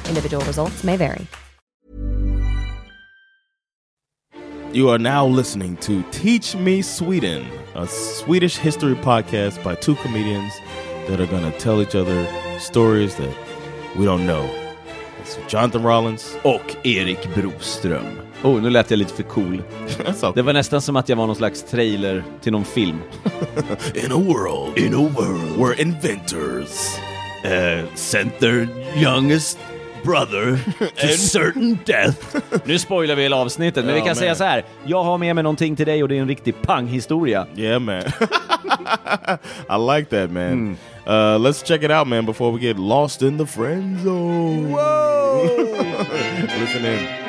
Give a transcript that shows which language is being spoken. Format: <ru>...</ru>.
<en>Individual results may vary. You are now listening to Teach Me Sweden, a Swedish history podcast by two comedians that are going to tell each other stories that we don't know. It's Jonathan Rollins</en> <sv>och Erik Broström. Oh, nu lät jag lite för cool.</sv> <en>Okay.</en> <sv>Det var nästan som att jag var någon slags trailer till någon film.</sv> <en>In a world where inventors sent their youngest brother to certain death.</en> <sv>Nu spoilar vi hela avsnittet, men vi kan säga så här. Jag har med mig någonting till dig och det är en riktig panghistoria.</sv> <en>Yeah, man. I like that, man. Mm. Let's check it out, man, before we get lost in the friend zone. Whoa! Listen in.</en>